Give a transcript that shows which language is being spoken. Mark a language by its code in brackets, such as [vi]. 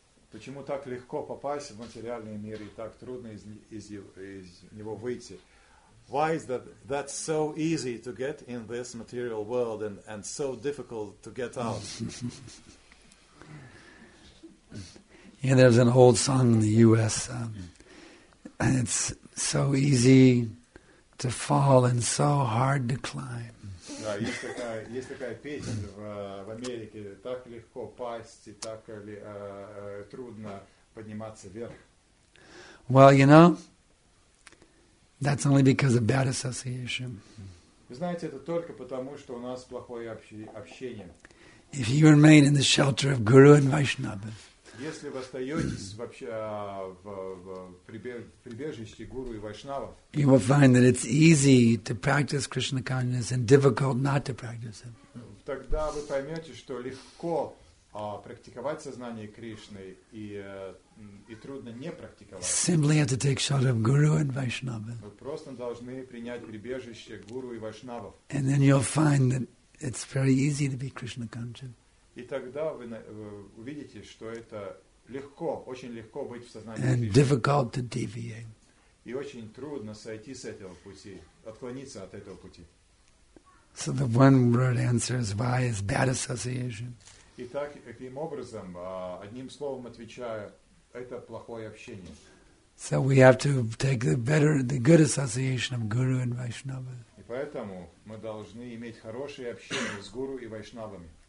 [ru] Почему так легко попасть в материальный мир и так трудно из него выйти? [en] Why is that so easy to get in this material world and so difficult to get out? Yeah, there's an old song in the U.S. And it's so easy to fall and so hard to climb. [ru] Есть такая песня в Америке. Так легко пасть и так трудно подниматься вверх. [en] Well, you know, that's only because of bad association. [ru] Вы знаете, это только потому, что у нас плохое общение. [en] If you remain in the shelter of Guru and Vaishnava. [ru] Если вы остаетесь вообще в прибежище Гуру и Вайшнава, [en] you will find that it's easy to practice Krishna consciousness and difficult not to practice it. [ru] Тогда вы поймете, что легко практиковать сознание Кришны и трудно не практиковать. [en] Simply have to take shelter of Guru and Vaishnava. [ru] Вы просто должны принять прибежище Гуру и Вайшнава. [en] And then you'll find that it's very easy to be Krishna conscious. [ru] И тогда вы увидите, что это легко, очень легко быть в сознании. [en] And difficult to deviate. [ru] И очень трудно сойти с этого пути, отклониться от этого пути. [en] So the one word answer is why is bad association. [ru] Итак, таким образом, одним словом отвечаю, это плохое общение. [en] So we have to take the better, the good association of Guru and Vaishnava. [ru] И поэтому мы должны иметь хорошее общение с Гуру и Вайшнавами.